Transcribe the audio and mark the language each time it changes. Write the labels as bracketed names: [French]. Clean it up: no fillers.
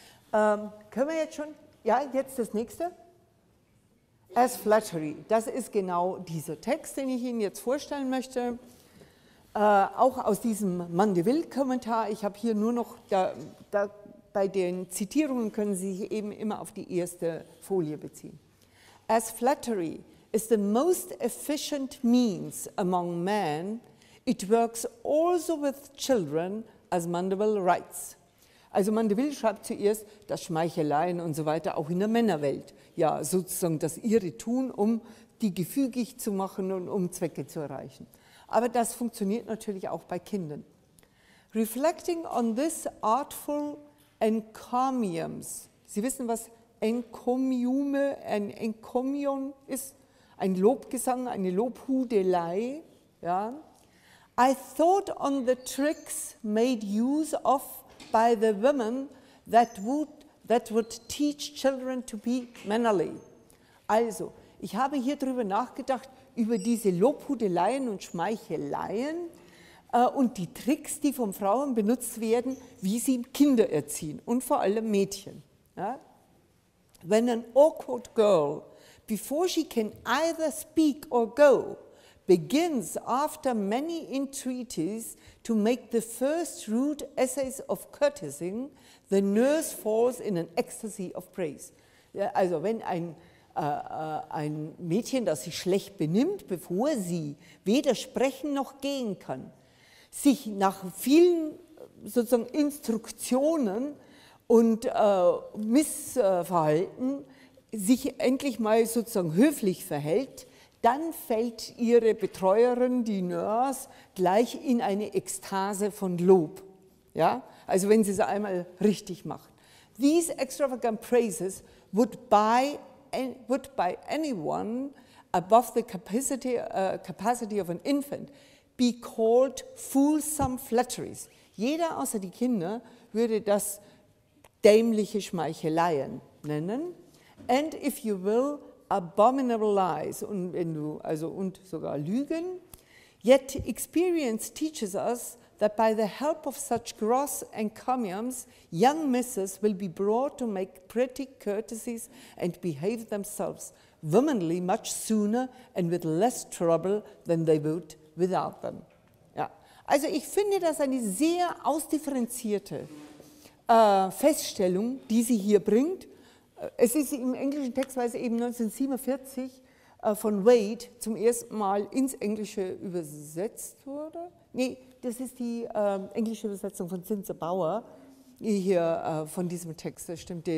[German] Können wir jetzt schon, ja, jetzt das nächste. [English] As Flattery, [German] das ist genau dieser Text, den ich Ihnen jetzt vorstellen möchte. Auch aus diesem Mandeville-Kommentar, ich habe hier nur noch bei den Zitierungen können Sie sich eben immer auf die erste Folie beziehen. [English] As flattery is the most efficient means among men, it works also with children, as Mandeville writes. [German] Also Mandeville schreibt zuerst, dass Schmeicheleien und so weiter auch in der Männerwelt, ja sozusagen das ihre tun, um die gefügig zu machen und um Zwecke zu erreichen. Aber das funktioniert natürlich auch bei Kindern. [English] Reflecting on this artful encomiums. [German] Sie wissen, was encomiume, ein encomium ist? Ein Lobgesang, eine Lobhudelei. Ja. [English] I thought on the tricks made use of by the women that would teach children to be mannerly. [German] Also, ich habe hier drüber nachgedacht, über diese Lobhudeleien und Schmeicheleien und die Tricks, die von Frauen benutzt werden, wie sie Kinder erziehen und vor allem Mädchen. Ja? [English] When an awkward girl, before she can either speak or go, begins after many entreaties to make the first rude essays of courtesy, the nurse falls in an ecstasy of praise. [German] Ja, also wenn ein Mädchen, das sich schlecht benimmt, bevor sie weder sprechen noch gehen kann, sich nach vielen sozusagen Instruktionen und Missverhalten sich endlich mal sozusagen höflich verhält, dann fällt ihre Betreuerin, die Nurse, gleich in eine Ekstase von Lob. Ja? Also wenn sie es einmal richtig macht. [English] These extravagant praises would by anyone above the capacity of an infant be called fulsome flatteries. [German] Jeder außer die Kinder würde das dämliche Schmeicheleien nennen. [English] And if you will, abominable lies, [German] und wenn du, also und sogar Lügen. [English] Yet experience teaches us that by the help of such gross encomiums, young misses will be brought to make pretty courtesies and behave themselves womanly much sooner and with less trouble than they would without them. [German] Ja. Also ich finde das eine sehr ausdifferenzierte Feststellung, die sie hier bringt. Es ist im englischen Textweise eben 1947 von Wade zum ersten Mal ins Englische übersetzt wurde. Nee, das ist die englische Übersetzung von Zinzer Bauer, die hier von diesem Text, das stimmt.